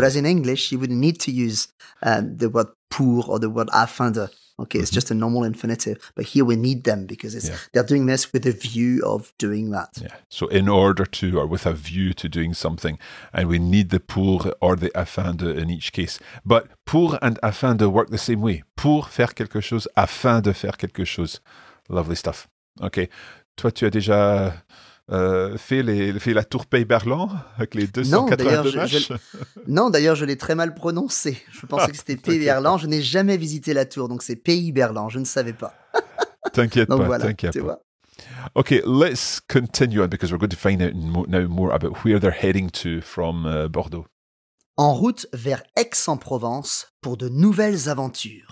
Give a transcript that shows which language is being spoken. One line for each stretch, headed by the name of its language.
English: Whereas in English, you wouldn't need to use the word pour or the word afin de. Okay, it's just a normal infinitive, but here we need them because it's they're doing this with a view of doing that. Yeah, so in order to, or with a view to doing something, and we need the pour or the afin de in each case. But pour and afin de work the same way.
French: Pour faire quelque chose, afin de faire quelque chose.
English: Lovely stuff.
French: Okay, toi tu as déjà fait la tour Pays-Berland avec les 282 matchs? Non, d'ailleurs, je l'ai très mal prononcé. Je pensais que c'était Pays-Berland. Je n'ai jamais visité la tour, donc c'est Pays-Berland. Je ne savais pas. T'inquiète pas.
English: Okay, let's continue on because we're going to find out now more about where they're heading to from Bordeaux.
French: En route vers Aix-en-Provence pour de nouvelles aventures.